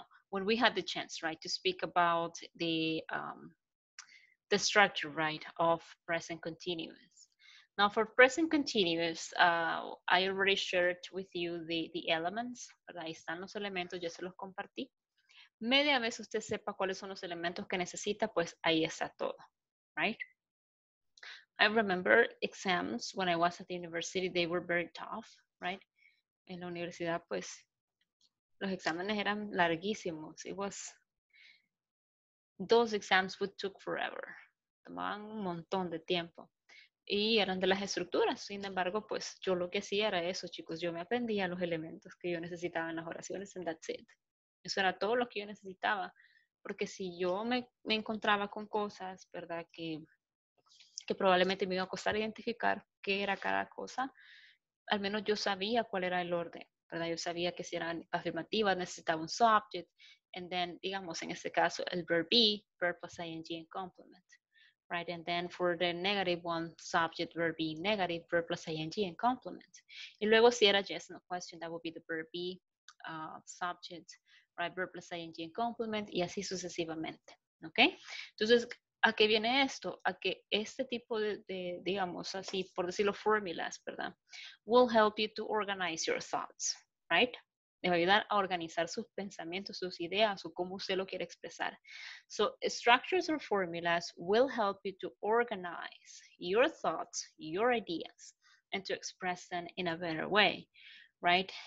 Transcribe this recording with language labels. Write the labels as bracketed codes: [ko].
[en] When we had the chance, right, to speak about the structure, right, of present continuous. Now, for present continuous, I already shared with you the elements, [es] ¿verdad? Ahí están los elementos, ya se los compartí. Media vez usted sepa cuáles son los elementos que necesita, pues ahí está todo, [en] right? I remember exams when I was at the university, they were very tough, right? [es] En la universidad, pues, los exámenes eran larguísimos. [en] It was, those exams would took forever. [es] Tomaban un montón de tiempo. Y eran de las estructuras, sin embargo, pues yo lo que hacía era eso, chicos. Yo me aprendía los elementos que yo necesitaba en las oraciones, [en] and that's it. [es] Eso era todo lo que yo necesitaba. Porque si yo me encontraba con cosas, ¿verdad? Que probablemente me iba a costar identificar qué era cada cosa, al menos yo sabía cuál era el orden, ¿verdad? Yo sabía que si era afirmativa necesitaba un subject, [en] and then, [es] digamos, en este caso, el verb be, [en] verb plus ing and complement, right? And then for the negative one, subject, verb be, negative, verb plus ing and complement. [es] Y luego si era yes, no question, [en] that would be the verb be, subject, right? Verb plus ing and complement, [es] y así sucesivamente, ¿ok? Entonces, ¿a qué viene esto? A que este tipo de digamos, así, por decirlo, fórmulas, ¿verdad? [en] Will help you to organize your thoughts, right? [es] Le va a ayudar a organizar sus pensamientos, sus ideas, o cómo usted lo quiere expresar. [en] So, structures or formulas will help you to organize your thoughts, your ideas, and to express them in a better way, right?